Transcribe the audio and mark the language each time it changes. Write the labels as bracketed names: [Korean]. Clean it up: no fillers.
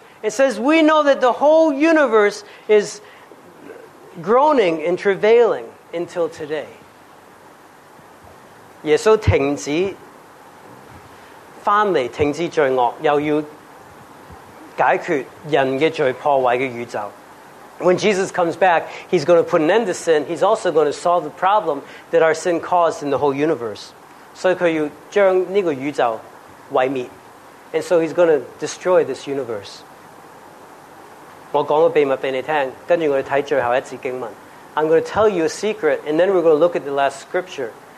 [English] It says, we know that the whole universe is groaning and travailing until today. [Chinese] 耶稣停止罪恶,又要解决人的罪破坏的宇宙。 [English] When Jesus comes back, he's going to put an end to sin. He's also going to solve the problem that our sin caused in the whole universe. [Chinese] 所以他要将这个宇宙毁灭, [English] and so he's going to destroy this universe. [Chinese] 我讲个秘密给你听,跟着我们看最后一节经文。 [English] I'm going to tell you a secret, and then we're going to look at the last scripture.